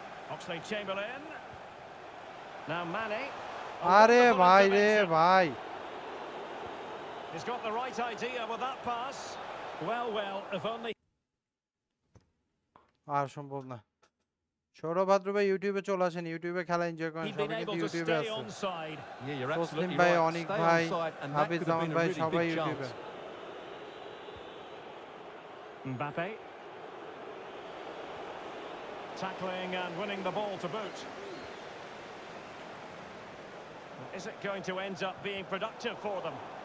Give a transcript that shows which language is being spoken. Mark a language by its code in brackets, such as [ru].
[en] Oxlade-Chamberlain. Now Mane. [bn] Are bhai, re bhai. [en] He's got the right idea with that pass. Well, well, if only... Arshambhavna. [bn] Sourav ভাদ্র ভাই ইউটিউবে চলে আসেন, ইউটিউবে খেলা enjoy করেন, সবাই কিন্তু ইউটিউবে আছে। তসলিম ভাই, অনিক ভাই, হাফিজ জামান ভাই, সবাই ইউটিউবে। [en] Mbappe tackling and winning the ball to boot. Is it going to end up being productive for them?